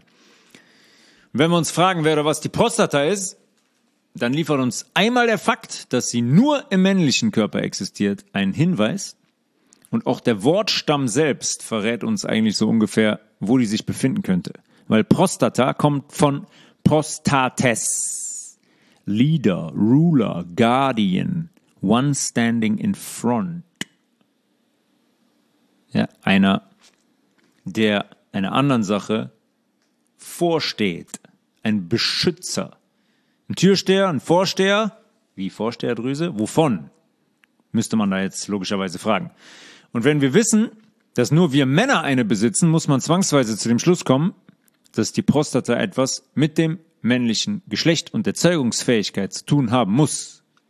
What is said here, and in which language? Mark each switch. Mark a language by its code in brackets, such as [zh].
[de] Und wenn wir uns fragen, wer oder was die Prostata ist, dann liefert uns einmal der Fakt, dass sie nur im männlichen Körper existiert, einen Hinweis. Und auch der Wortstamm selbst verrät uns eigentlich so ungefähr, wo die sich befinden könnte. Weil Prostata kommt von Prostates. [en] Leader, Ruler, Guardian, one standing in front. [de] Ja, einer, der einer anderen Sache vorsteht. Ein Beschützer. Ein Türsteher, ein Vorsteher, wie Vorsteherdrüse, wovon, müsste man da jetzt logischerweise fragen. Und wenn wir wissen, dass nur wir Männer eine besitzen, muss man zwangsweise zu dem Schluss kommen, dass die Prostata etwas mit dem männlichen Geschlecht und der Zeugungsfähigkeit zu tun haben muss.